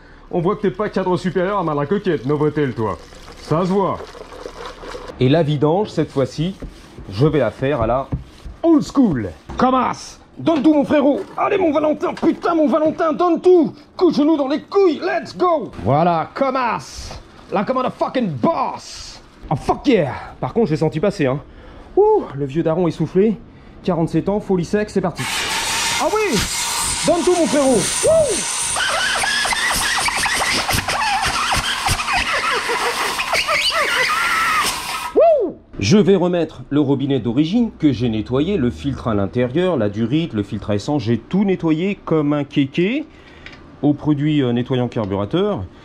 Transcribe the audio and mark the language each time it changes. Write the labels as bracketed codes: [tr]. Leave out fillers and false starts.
[fr] On voit que t'es pas cadre supérieur à Malacoquette, Novotel, toi. Ça se voit. Et la vidange, cette fois-ci, je vais la faire à la old school. Comas, donne tout, mon frérot. Allez, mon Valentin, putain, mon Valentin, donne tout. Coup de genou dans les couilles, [en] let's go. [fr] Voilà, comas. [en] Like I'm on a fucking boss. Oh, fuck yeah. [fr] Par contre, j'ai senti passer, hein. Ouh, le vieux daron est soufflé. 47 ans, folie sec, c'est parti. Ah oui, donne tout, mon frérot. Ouh. Je vais remettre le robinet d'origine que j'ai nettoyé, le filtre à l'intérieur, la durite, le filtre à essence, j'ai tout nettoyé comme un kéké au produit nettoyant carburateur.